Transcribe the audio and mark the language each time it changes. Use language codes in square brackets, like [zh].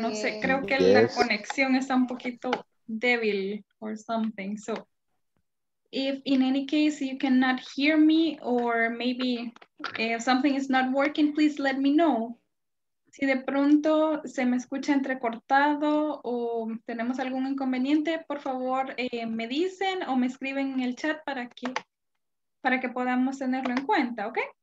[es] No sé, creo que la conexión está un poquito débil [en] or something. So if in any case you cannot hear me or maybe if something is not working, please let me know. [es] Si de pronto se me escucha entrecortado o tenemos algún inconveniente, por favor me dicen o me escriben en el chat para que podamos tenerlo en cuenta, ¿ok?